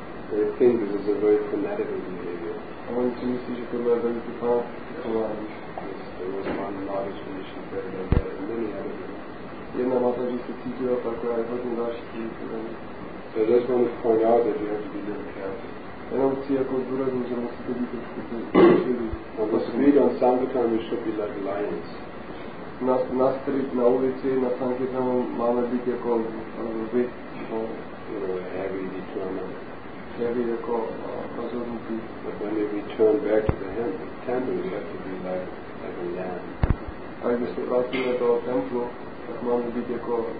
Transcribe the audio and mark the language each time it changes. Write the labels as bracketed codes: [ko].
[en] They think this is a very fanatical behavior. [cs] A oni si myslí, že tohle je velice fanatické chování. [en] Yes, there was one Mataji when she prayed like that, and many other people. [cs] Jedna Mataji se cítila takhle, a hodně další cítili. [en] So I just want to point out that you have to be very careful. [cs] Jenom chci jako zdůraznit, že musíte být trošku čili. [en] On the street on Sankirtan we should be like lions. [cs] Na street, na ulici, na Sankirtan máme být jako lvi. [en] Heavy, determined. [cs] Heavy jako rozhodnutí. [en] But when we return back to the temple, we have to be like a lamb. [cs] A když se vrátíme do templu, tak máme být jako